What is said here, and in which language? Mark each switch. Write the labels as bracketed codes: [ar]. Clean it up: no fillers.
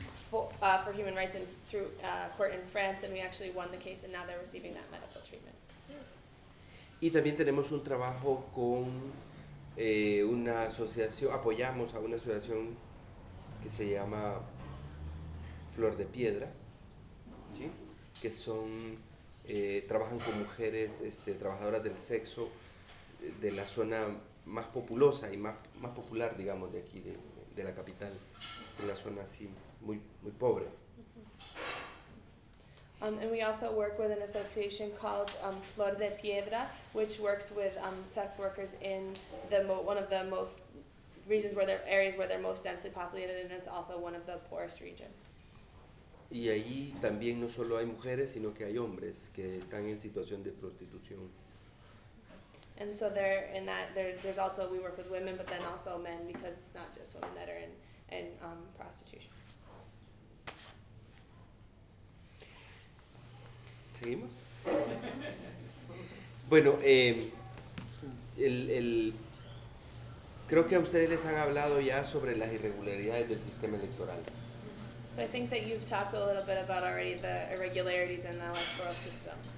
[en] For human rights and through court in France, and we actually won the case, and now they're receiving that medical treatment. [es] Y también tenemos un trabajo con una asociación, apoyamos a una asociación que se llama Flor de Piedra, ¿sí? Que son trabajan con mujeres trabajadoras del sexo de la zona más populosa y más popular, digamos, de aquí de la capital, de la zona así muy pobre. [en] And we also work with an association called Flor de Piedra, which works with sex workers in one of the most regions where they're areas where they're most densely populated, and it's also one of the poorest regions. [es] Y ahí también no solo hay mujeres, sino que hay hombres que están en situación de prostitución. [en] And so there, in that, there's also we work with women, but then also men, because it's not just women that are in prostitution. [es] ¿Seguimos? Bueno, creo que a ustedes les han hablado ya sobre las irregularidades del sistema electoral. [en] So I think that you've talked a little bit about already the irregularities in the electoral system.